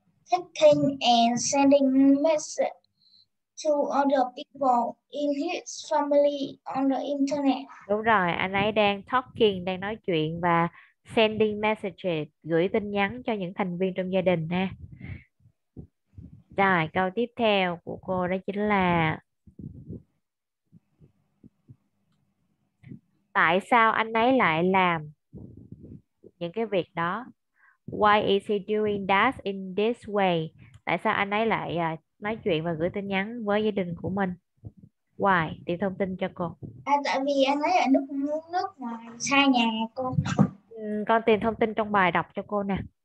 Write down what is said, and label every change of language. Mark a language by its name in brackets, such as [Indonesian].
[English] texting and sending message to other people in his family on the internet. [Vietnamese] Đúng rồi, anh ấy đang talking, đang nói chuyện và [English] sending messages, [Vietnamese] gửi tin nhắn cho những thành viên trong gia đình ha. Rồi, câu tiếp theo của cô đó chính là tại sao anh ấy lại làm những cái việc đó? [English] Why is he doing that in this way? [Vietnamese] Tại sao anh ấy lại nói chuyện và gửi tin nhắn với gia đình của mình? [English] Why? [Vietnamese] Tìm thông tin cho cô. À, tại vì anh ấy ở nước ngoài, xa nhà cô. Con tìm thông tin trong bài đọc cho cô nè.